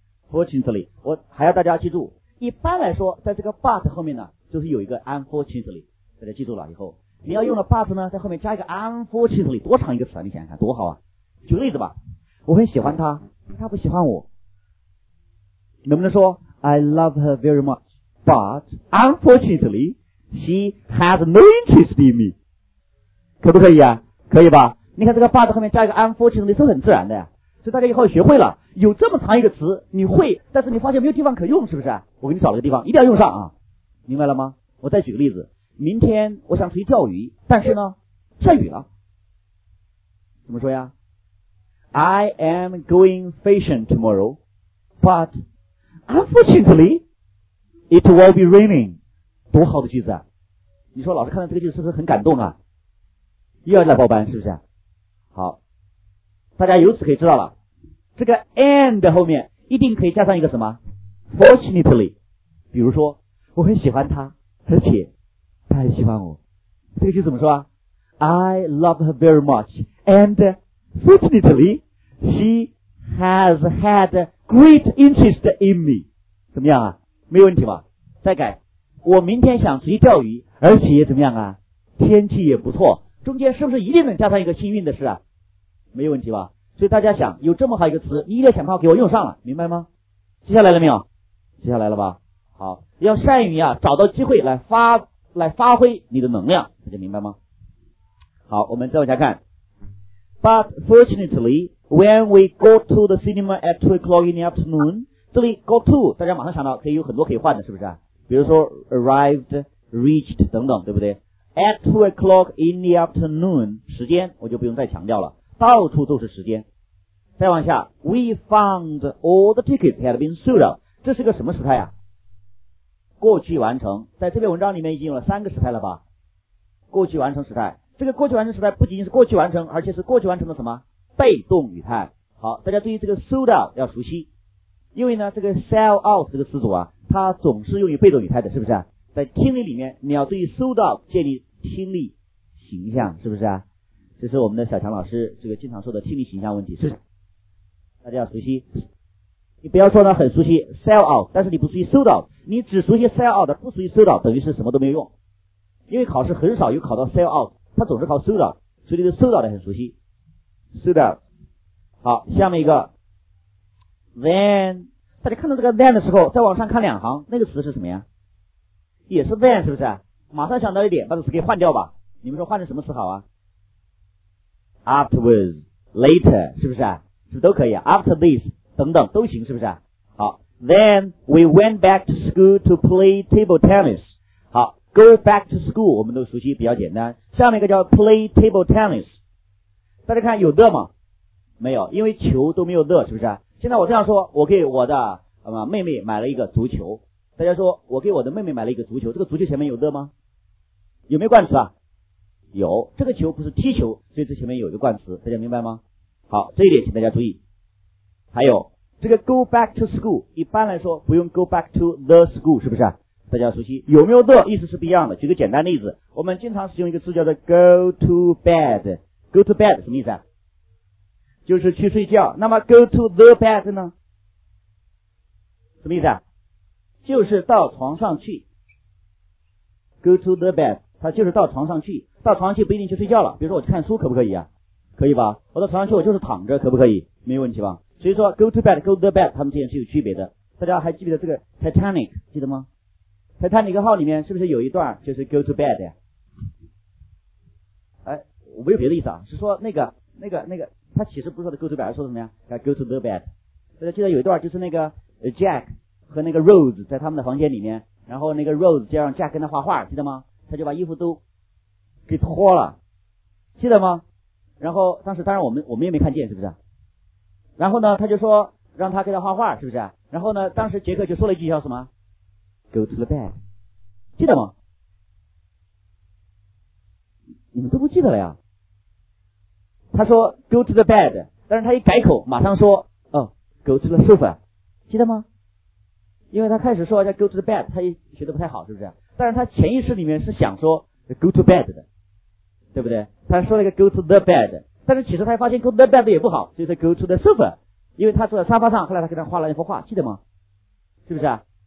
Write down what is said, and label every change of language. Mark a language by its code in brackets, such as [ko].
[zh] fortunately, 我还要大家记住，一般来说，在这个 but 后面呢，就是有一个 unfortunately, 大家记住了以后。你要用的 but 呢，在后面加一个 unfortunately, 多长一个词啊，你想想看多好啊。举个例子吧，我很喜欢她，她不喜欢我。 [en] 能不能说 I love her very much, but unfortunately, she has no interest in me. [zh] 可不可以啊？可以吧？你看这个 but 后面加一个 unfortunately 是很自然的呀。所以大家以后学会了，有这么长一个词你会，但是你发现没有地方可用，是不是？我给你找了个地方，一定要用上啊。明白了吗？我再举个例子。明天我想出去钓鱼，但是呢下雨了，怎么说呀？ [en] I am going fishing tomorrow, but unfortunately it will be raining. [zh] 多好的句子啊！你说老师看到这个句子是不是很感动啊？又要来报班，是不是？好，大家由此可以知道了，这个 and 后面一定可以加上一个什么 fortunately, 比如说我很喜欢他，而且他很喜欢我，这个句怎么说啊？ [en] I love her very much, and fortunately, she has had great interest in me. [zh] 怎么样啊？没有问题吧？再改，我明天想出去钓鱼，而且怎么样啊？天气也不错，中间是不是一定能加上一个幸运的事啊？没有问题吧？所以大家想，有这么好一个词，你一定要想办法给我用上了，明白吗？接下来了没有？接下来了吧？好，要善于啊，找到机会来发挥你的能量，大家明白吗？好，我们再往下看。 [en] But fortunately, when we go to the cinema at 2 o'clock in the afternoon, [zh] 这里 [en] go to, [zh] 大家马上想到可以有很多可以换的，是不是？比如说 arrived, reached, 等等，对不对？ [en] At 2 o'clock in the afternoon, [zh] 时间我就不用再强调了，到处都是时间。再往下， [en] we found all the tickets had been sold out, [zh] 这是个什么时态啊？过去完成，在这篇文章里面已经有了三个时态了吧？过去完成时态，这个过去完成时态不仅仅是过去完成，而且是过去完成的什么？被动语态。好，大家对于这个 sold out 要熟悉，因为呢，这个 sell out 这个词组啊，它总是用于被动语态的，是不是？在听力里面，你要对于 sold out 建立听力形象，是不是？这是我们的小强老师这个经常说的听力形象问题，是不是？大家要熟悉。你不要说呢很熟悉 sell out, 但是你不熟悉 sold out, 你只熟悉 sell out, 不熟悉 sold out, 等于是什么都没有用。因为考试很少有考到 sell out, 它总是考 sold out, 所以这个 sold out 很熟悉。 sold out。 好，下面一个。 then, 大家看到这个 then 的时候再往上看两行那个词是什么呀？也是 then, 是不是？马上想到一点把这词给换掉吧。你们说换成什么词好啊？ [en] afterwards, later, [zh] 是不是？是都可以啊， after this,等等都行，是不是？ [en] 好， then we went back to school to play table tennis. [zh] 好， [en] go back to school [zh] 我们都熟悉，比较简单。下面一个叫 [en] play table tennis, [zh] 大家看有的吗？没有，因为球都没有的，是不是？现在我这样说，我给我的妹妹买了一个足球，大家说我给我的妹妹买了一个足球，这个足球前面有的吗？有没有冠词啊？有，这个球不是踢球，所以这前面有一个冠词，大家明白吗？好，这一点请大家注意。还有这个 [en] go back to school, [zh] 一般来说不用 [en] go back to the school, [zh] 是不是？大家熟悉，有没有 the 意思是不一样的。举个简单例子，我们经常使用一个词叫做 [en] go to bed, go to bed [zh] 什么意思啊？就是去睡觉。那么 go to the bed 呢？什么意思啊？就是到床上去， [en] go to the bed， [zh] 它就是到床上去，到床上去不一定去睡觉了。比如说我去看书可不可以啊？可以吧？我到床上去我就是躺着，可不可以？没有问题吧？所以说 [en] go to bed， go to the bed， [zh] 它们之间是有区别的。大家还记得这个 Titanic 记得吗？Titanic 号里面是不是有一段就是 go to bed 呀？哎，我没有别的意思啊，是说那个他其实不是说的 [en] go to bed， [zh] 说什么呀？ [en] go to the bed。 [zh] 大家记得有一段就是那个 Jack 和那个 Rose 在他们的房间里面，然后那个 Rose 就让 Jack 跟他画画，记得吗？他就把衣服都给脱了，记得吗？然后当时当然我们也没看见，是不是？然后呢他就说让他给他画画，是不是？然后呢当时杰克就说了一句叫什么？ [en] go to the bed， 记得吗？ [zh] 你们都不记得了呀。他说 [en] go to the bed， [zh] 但是他一改口马上说哦 [en] go to the sofa， [zh] 记得吗？因为他开始说叫 [en] go to the bed， [zh] 他也学得不太好，是不是？但是他潜意识里面是想说 [en] go to bed [zh] 的，对不对？他说了一个 [en] go to the bed， [zh] 但是其实他发现 [en] go to the bed [zh] 也不好，所以他 [en] go to the sofa， [zh] 因为他坐在沙发上，后来他给他画了一幅画，记得吗？是不是？